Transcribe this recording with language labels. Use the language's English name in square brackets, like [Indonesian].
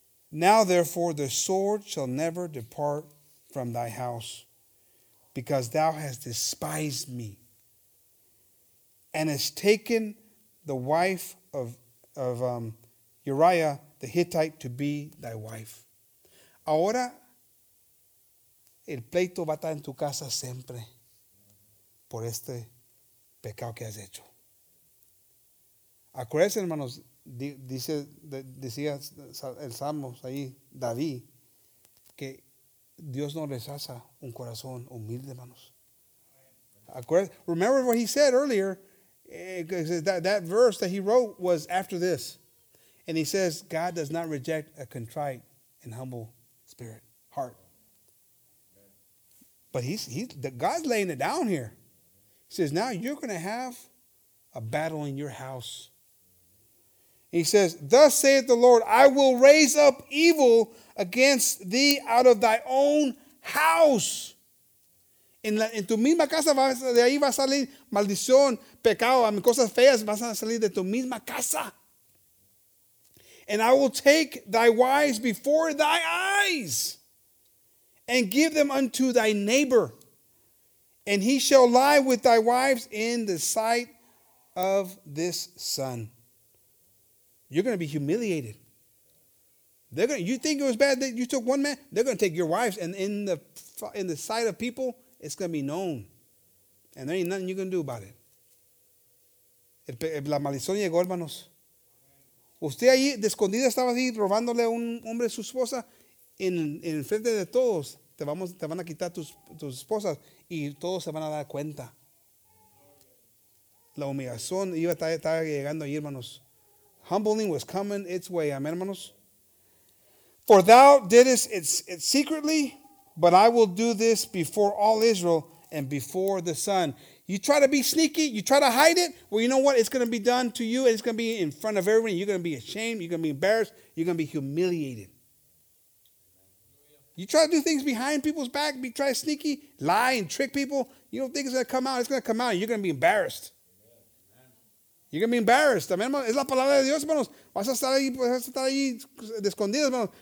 [English] Now therefore, the sword shall never depart from thy house, because thou hast despised me, and hast taken the wife of Uriah the Hittite to be thy wife. [Spanish] Ahora, el pleito va a estar en tu casa siempre por este pecado que has hecho. Acuérdense, hermanos, decía el Salmos ahí, David, que Dios no rechaza un corazón humilde, hermanos. [English] Remember what he said earlier, that verse that he wrote was after this. And he says, God does not reject a contrite and humble spirit, heart. But God's laying it down here. He says, now you're going to have a battle in your house. He says, thus saith the Lord, I will raise up evil against thee out of thy own house. [Spanish] En tu misma casa, de ahí va a salir maldición, pecado, cosas feas, vas a salir de tu misma casa. [English] And I will take thy wives before thy eyes and give them unto thy neighbor. And he shall lie with thy wives in the sight of this sun. You're going to be humiliated. You think it was bad that you took one man? They're going to take your wives, and in the sight of people, it's going to be known. And there ain't nothing you can do about it. [Spanish] La maldición llegó, hermanos. Usted ahí, de escondida, estaba ahí robándole a un hombre su esposa. En frente de todos, te van a quitar tus esposas, y todos se van a dar cuenta. La humillación iba a estar llegando ahí, hermanos. [English] Humbling was coming its way. Amen, hermanos. For thou didst it secretly, but I will do this before all Israel and before the sun. You try to be sneaky. You try to hide it. Well, you know what? It's going to be done to you, and it's going to be in front of everyone. You're going to be ashamed. You're going to be embarrassed. You're going to be humiliated. You try to do things behind people's back. Be try sneaky. Lie and trick people. You don't think it's going to come out. It's going to come out. You're going to be embarrassed. You're going to be embarrassed. [Spanish] Amen, hermanos. Es la palabra de Dios, hermanos. Vas a estar ahí de escondido, hermanos.